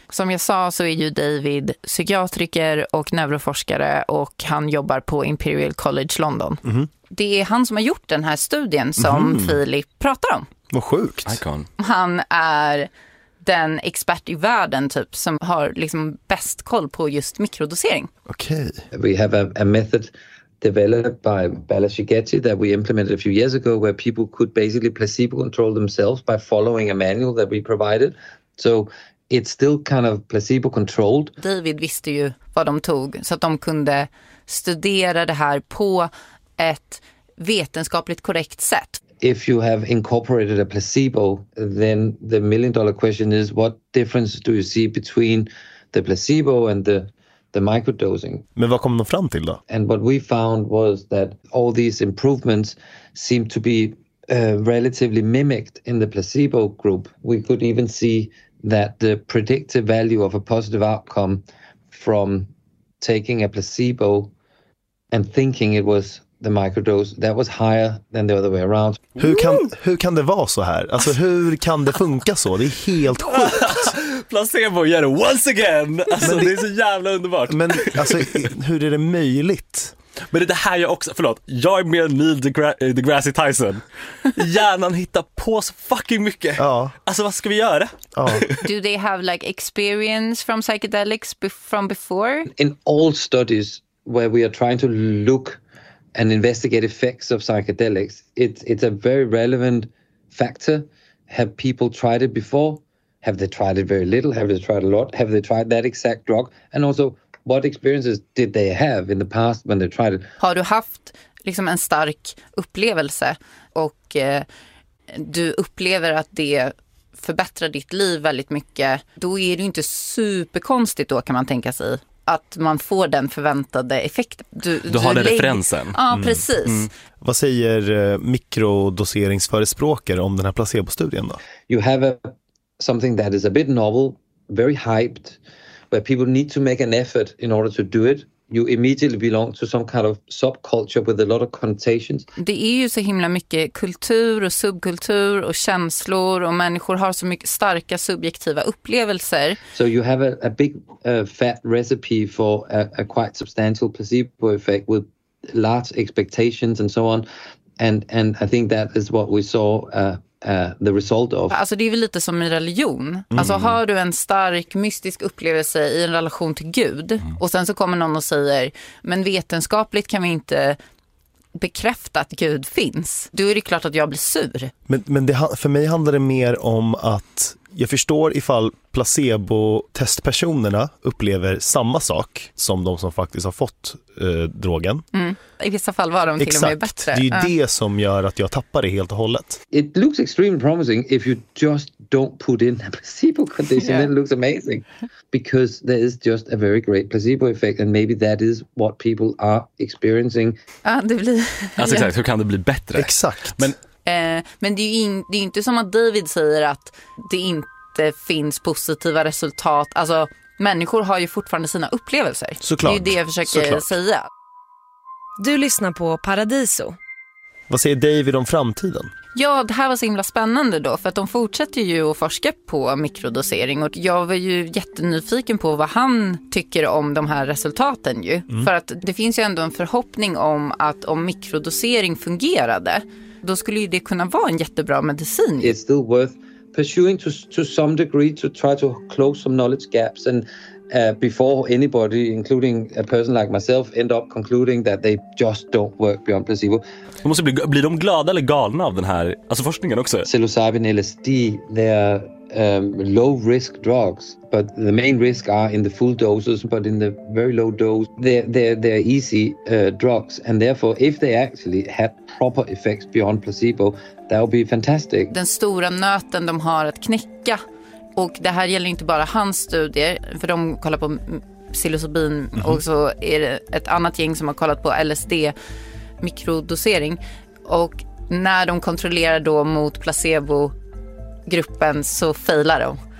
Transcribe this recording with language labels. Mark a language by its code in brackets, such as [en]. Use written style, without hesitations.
[sv] Som jag sa så är ju David psykiatriker och neuroforskare, och han jobbar på Imperial College London. Mm. Det är han som har gjort den här studien som Filip pratar om. Vad sjukt. Icon. Han är den expert i världen typ som har liksom bäst koll på just mikrodosering. Okej. [en] Okay. We have a method developed by Balashigeti that we implemented a few years ago, where people could basically placebo control themselves by following a manual that we provided. So it's still kind of placebo controlled. [sv] David visste ju vad de tog, så att de kunde studera det här på ett vetenskapligt korrekt sätt. [en] If you have incorporated a placebo, then the million dollar question is, what difference do you see between the placebo and the the microdosing. [sv] Men vad kom de fram till då? [en] And what we found was that all these improvements seemed to be relatively mimicked in the placebo group. We could even see that the predictive value of a positive outcome from taking a placebo and thinking it was the microdose, that was higher than the other way around. [sv] Hur kan det vara så här? Alltså hur kan det funka så? Det är helt sjukt. Placebo gör det [en] once again. [sv] Alltså det är så jävla underbart. Men alltså hur är det möjligt? Men det här jag också, förlåt, jag är mer Neil deGrasse Tyson. Hjärnan hittar på så fucking mycket. Ja. Alltså vad ska vi göra? Ja. [en] Do they have like experience from psychedelics from before? In all studies where we are trying to look and investigate effects of psychedelics, it's a very relevant factor. Have people tried it before? Have they tried it very little? Have they tried a lot? Have they tried that exact drug? And also, what experiences did they have in the past when they tried it? [sv] Har du haft liksom en stark upplevelse och du upplever att det förbättrar ditt liv väldigt mycket, då är det ju inte superkonstigt då, kan man tänka sig, att man får den förväntade effekten. Du har den referensen. Ja, precis. Mm. Vad säger mikrodoseringsförespråkare om den här placebo-studien då? [en] You have something that is a bit novel, very hyped, where people need to make an effort in order to do it. You immediately belong to some kind of subculture with a lot of connotations. [sv] Det är ju så himla mycket kultur och subkultur och känslor, och människor har så mycket starka subjektiva upplevelser. [en] So you have a big fat recipe for a quite substantial placebo effect with large expectations and so on. And I think that is what we saw the result of. [sv] Alltså det är väl lite som en religion. Mm. Alltså har du en stark mystisk upplevelse i en relation till Gud, och sen så kommer någon och säger, men vetenskapligt kan vi inte bekräfta att Gud finns, då är det klart att jag blir sur. Men det, för mig handlar det mer om att jag förstår ifall placebo-testpersonerna upplever samma sak som de som faktiskt har fått drogen. Mm. I vissa fall var de till exakt. Och med bättre. Det är ju det som gör att jag tappar det helt och hållet. [en] It looks extremely promising if you just don't put in a placebo condition. Yeah. It looks amazing. Because there is just a very great placebo effect, and maybe that is what people are experiencing. [sv] Ja, det blir... alltså exakt, hur kan det bli bättre? Exakt. Men det är ju det är inte som att David säger att det inte finns positiva resultat. Alltså, människor har ju fortfarande sina upplevelser. Såklart. Det är ju det jag försöker såklart säga. Du lyssnar på Paradiso. Vad säger David om framtiden? Ja, det här var så himla spännande då, för att de fortsätter ju att forska på mikrodosering, och jag var ju jättenyfiken på vad han tycker om de här resultaten ju. Mm. För att det finns ju ändå en förhoppning om att om mikrodosering fungerade, då skulle ju det kunna vara en jättebra medicin. [en] It's still worth pursuing to some degree to try to close some knowledge gaps, and before anybody, including a person like myself, end up concluding that they just don't work beyond placebo. [sv] Det måste bli de glada eller galna av den här, alltså forskningen också. [en] Psilocybin, LSD, they are low risk drugs, but the main risk are in the full doses, but in the very low dose they're easy drugs, and therefore if they actually had proper effects beyond placebo, that would be fantastic. [sv] Den stora nöten de har att knäcka, och det här gäller inte bara hans studier, för de kollar på psilocybin. Mm-hmm. Och så är det ett annat gäng som har kollat på LSD mikrodosering, och när de kontrollerar då mot placebo gruppen så failar de.